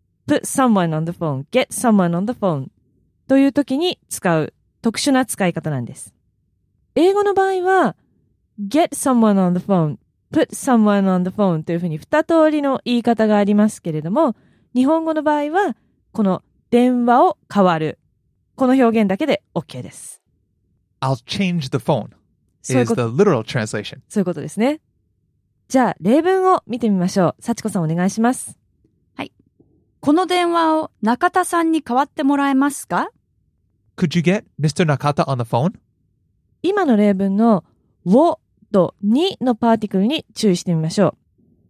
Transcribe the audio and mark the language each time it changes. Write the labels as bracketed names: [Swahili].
[English] put someone on the phone, [Japanese] get someone on the phone という時に使う特殊な使い方なんです。英語の場合は [English] get someone on the phone, [Japanese] put someone on the phone というふうに二通りの言い方がありますけれども、日本語の場合はこの電話を変わる。この表現だけで OK です。 [English] I'll change the phone is the literal translation. [Japanese] そういうことですね。じゃあ例文を見てみましょう。幸子さんお願いします。はい。この電話を中田さんに代わってもらえますか? [English] Could you get Mr. Nakata on the phone? [Japanese] 今の例文のをとにのパーティクルに注意してみましょう。